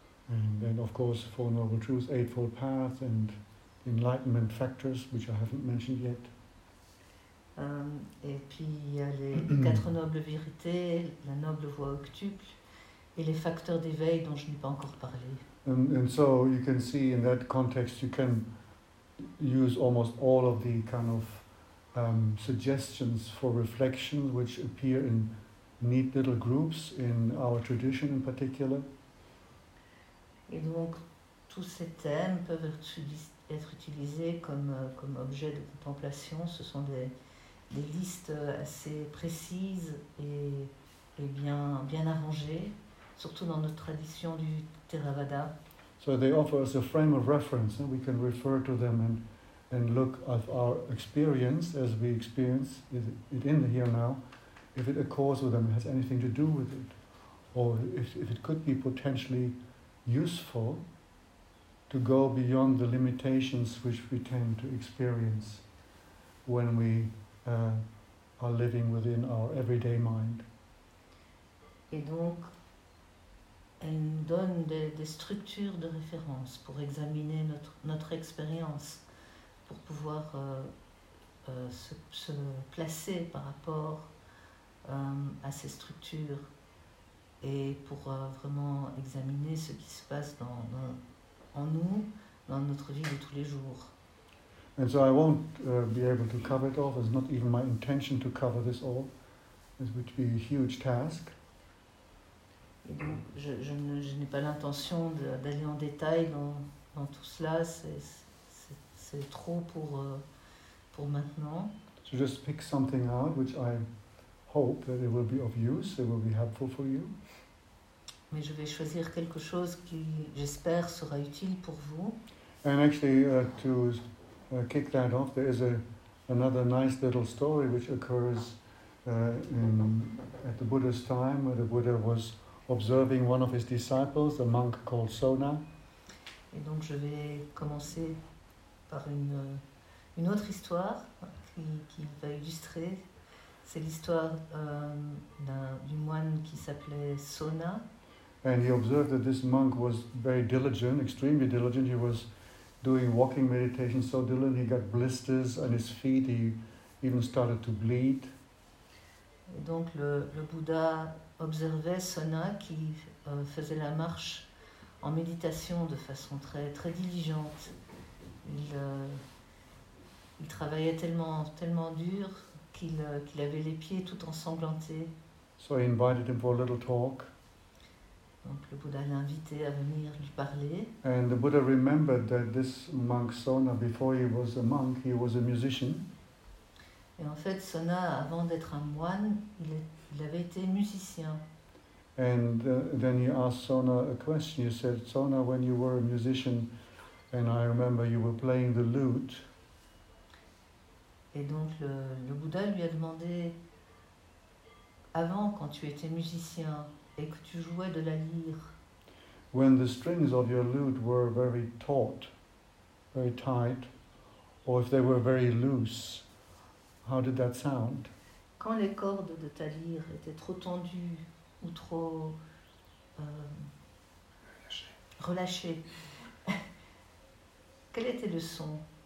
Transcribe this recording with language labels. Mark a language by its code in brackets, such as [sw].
[en] And then, of course, Four Noble Truths, Eightfold Path, and Enlightenment Factors, which I haven't mentioned yet. [fr] Et puis il y a les quatre nobles vérités, la noble voie octuple, et les facteurs d'éveil dont je n'ai pas encore parlé. [en] And so you can see in that context, you can use almost all of the kind of suggestions for reflection which appear in neat little groups in our tradition in particular. [fr] Et donc, tous ces thèmes peuvent être utilisés comme objets de contemplation. Ce sont des listes assez précises et bien arrangées, surtout dans notre tradition du Theravada. [en] So they offer us a frame of reference, and we can refer to them and look at our experience as we experience it in the here now, if it accords with them, has anything to do with it, or if it could be potentially useful to go beyond the limitations which we tend to experience when we are living within our everyday mind. [fr] Et donc, elle nous donne des structures de référence pour examiner notre expérience, pour pouvoir se placer par rapport à ces structures et pour vraiment examiner ce qui se passe en nous, dans notre vie de tous les jours. [en] And so I won't be able to cover it all. It's not even my intention to cover this all. This would be a huge task. [fr] Et donc, je n'ai pas l'intention d'aller en détail dans tout cela. C'est trop pour maintenant. [en] So just pick something out which I hope that it will be of use. It will be helpful for you. [fr] Mais je vais choisir quelque chose qui, j'espère, sera utile pour vous. [en] And actually, kick that off. There is another nice little story which occurs at the Buddha's time, where the Buddha was observing one of his disciples, a monk called Sona. [fr] Et donc je vais commencer par une autre histoire qui va illustrer. C'est l'histoire d'un moine qui s'appelait Sona. [en] And he observed that this monk was very diligent, extremely diligent. He was doing walking meditation so diligently, he got blisters on his feet, he even started to bleed. [fr] Et donc le Bouddha observait Sona qui faisait la marche en méditation de façon très, très diligente. Il travaillait tellement, tellement dur qu'il avait les pieds tout ensanglantés. [en] So he invited him for a little talk. [fr] Donc le Bouddha l'a invité à venir lui parler. [en] And the Buddha remembered that this monk Sona, before he was a monk, he was a musician. [fr] Et en fait, Sona, avant d'être un moine, il avait été musicien. [en] And then he asked Sona a question. He said, Sona, when you were a musician, and I remember you were playing the lute. [fr] Et donc le Bouddha lui a demandé, avant, quand tu étais musicien, et que tu jouais de la lyre. [en] When the strings of your lute were very taut, very tight, or if they were very loose, how did that sound? [fr] Quand les cordes de ta lyre étaient trop tendues ou trop relâchées, quel était le son?